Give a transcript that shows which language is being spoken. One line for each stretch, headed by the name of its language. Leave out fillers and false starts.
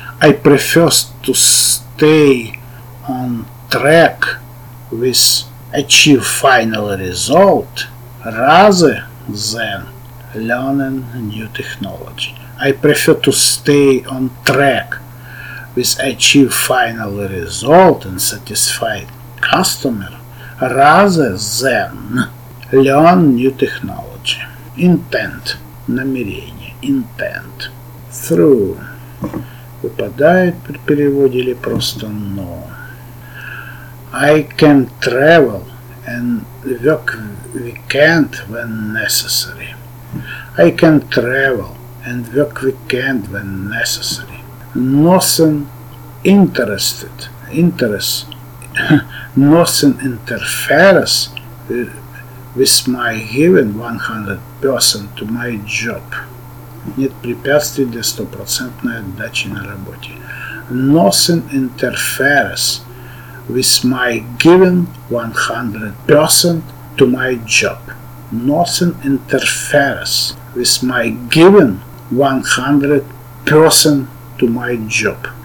English: I prefer to stay on track with achieve final result rather than learning new technology. I prefer to stay on track with achieve final result and satisfy customer rather than learn new technology. Intent. Намерение. Intent. Through.
Russian: Выпадает при переводе или просто но.
English: I can travel and work weekend when necessary. I can travel and work weekend when necessary. Nothing interested. Interest. Nothing interferes with my giving 100% to my job.
Russian: Нет препятствий для 100% отдачи на работе.
English: Nothing interferes with my giving 100% to my job. Nothing interferes with my giving 100% to my job.